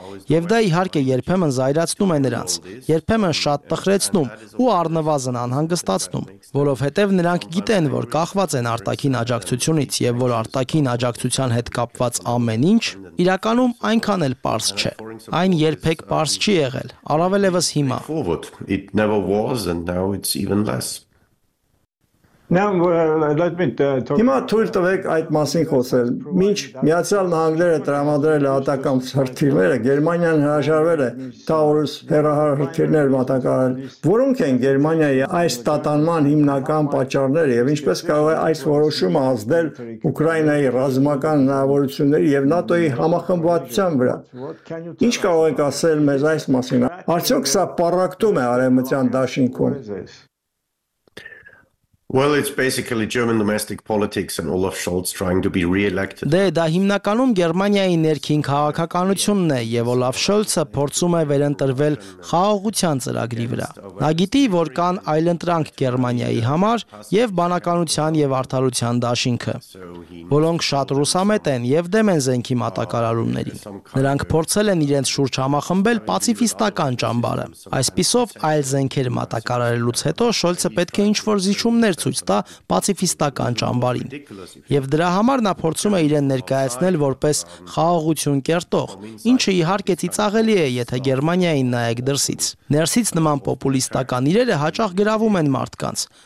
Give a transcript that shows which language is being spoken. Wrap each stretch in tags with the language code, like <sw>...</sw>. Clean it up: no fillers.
<hy>Եվ դա իհարկե երբեմն զայրացնում է նրանց, երբեմն շատ տխրեցնում ու առնվազն անհանգստացնում, որովհետև նրանք գիտեն, որ կախված են արտաքին աջակցությունից եւ որ արտաքին աջակցության հետ կապված ամեն ինչ իրականում այնքան էլ պարզ չէ։ Այն երբեք պարզ չի եղել, առավելևս հիմա։</hy> <en>It never was and now it's even less. Now let me talk.</en> <hy>Հիմա թույլ տվեք այդ մասին խոսել։ Մինչ Միացյալ Նահանգները տրամադրել է Ատակամ հրթիռները, Գերմանիան հրաժարվել է Taurus հեռահար հրթիռներ մատակարարել։ Որո՞նք են Գերմանիայի այս տատանման հիմնական պատճառները եւ ինչպես կարող է այս որոշումը ազդել Ուկրաինայի ռազմական հնարավորությունների եւ ՆԱՏՕ-ի համախմբվածության վրա։ Ինչ կարող եք ասել մեզ այս մասին։ Արդյոք սա պարակտում է արևմտյան դաշինքում։</hy> <en>Well, it's basically German domestic politics and Olaf Scholz trying to be re-elected.</en> <hy>Դե դա հիմնականում Գերմանիայի ներքին քաղաքականությունն է, եւ Olaf Scholz-ը փորձում է վերընտրվել խաղաղության ծրագրի վրա։ Նա գիտի, որ կան այլ ընտրանք Գերմանիայի համար եւ բանականության եւ արդարության դաշինքը, որոնք շատ ռուսամետ են եւ դեմ են զենքի մատակարարումներին։ Նրանք փորձել են իրենց շուրջ համախմբել պացիֆիստական ճամբարը։ Այսպիսով, այլ զենքեր մատակարարելուց հետո Scholz-ը պետք է ինչ-որ զիջում ներցույց տա պացիֆիստական ճամբարին, եւ դրա համար նա փորձում է իրեն ներկայացնել որպես խաղաղություն կերտող, ինչը իհարկե ծիծաղելի է, եթե Գերմանիային նայեք դրսից։ Ներսից նման պոպուլիստական իրերը հաճախ գրավում են մարդկանց,</hy>